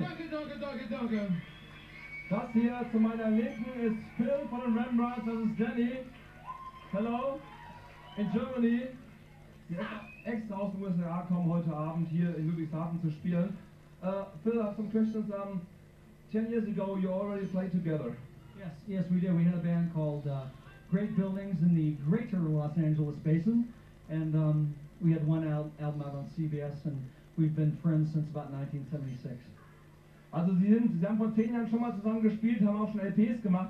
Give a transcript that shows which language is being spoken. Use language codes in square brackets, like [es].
[de] Danke, danke, danke, danke. Das hier zu meiner Linken ist Phil von den Rembrandts. Das ist Danny. [en] Hello. In Germany. [de] Sie ist extra aus den USA gekommen, heute Abend hier in Ludwigshafen zu spielen. [en] Phil, I have some questions. 10 years ago, you already played together. Yes, yes, we did. We had a band called Great Buildings in the greater Los Angeles Basin. And we had one album out on CBS, and we've been friends since about 1976. [de] Also Sie haben vor 10 Jahren schon mal zusammen gespielt, haben auch schon LPs gemacht.